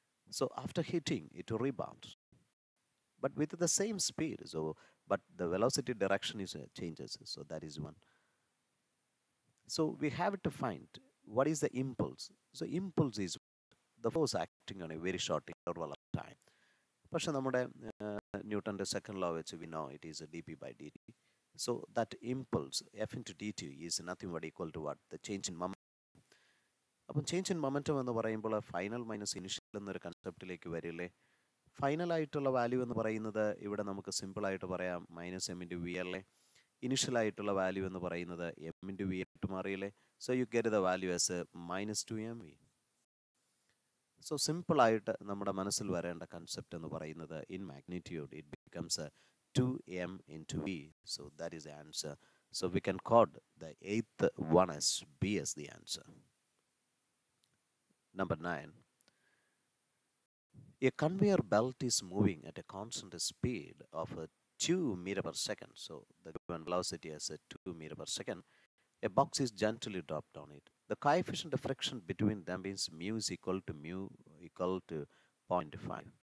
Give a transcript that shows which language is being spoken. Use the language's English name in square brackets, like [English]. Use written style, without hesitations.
[English] So after hitting, it will rebound. But with the same speed. So, but the velocity direction is changes. So that is one. So we have to find what is the impulse. So impulse is the force acting on a very short interval of time. [Malayalam] പക്ഷെ നമ്മുടെ ന്യൂട്ടൻ്റെ second law വെച്ച് [English] We know it is a d p by d t. So that impulse F into d t is nothing but equal to what the change in momentum. [Malayalam] അപ്പം change in momentum എന്ന് പറയുമ്പോൾ final minus initial എന്നൊരു കൺസെപ്റ്റിലേക്ക് വരില്ലേ. ഫൈനലായിട്ടുള്ള value എന്ന് പറയുന്നത് ഇവിടെ നമുക്ക് സിമ്പിളായിട്ട് പറയാം മൈനസ് എം ഇൻറ്റു വി അല്ലേ. ഇനിഷ്യലായിട്ടുള്ള വാല്യൂ എന്ന് പറയുന്നത് എം ഇൻറ്റു വി ആയിട്ട് മാറിയില്ലേ. [English] So you get the value as minus 2 mv. [Malayalam] So സിമ്പിളായിട്ട് നമ്മുടെ മനസ്സിൽ വരേണ്ട കൺസെപ്റ്റ് എന്ന് പറയുന്നത് [English] In magnitude it becomes 2 m × v. So that is the answer. So we can code the 8th one as B as the answer. Number 9. A conveyor belt is moving at a constant speed of 2 meters per second. So the given velocity is 2 meters per second. A box is gently dropped on it. The coefficient of friction between them is mu equal to 0.5.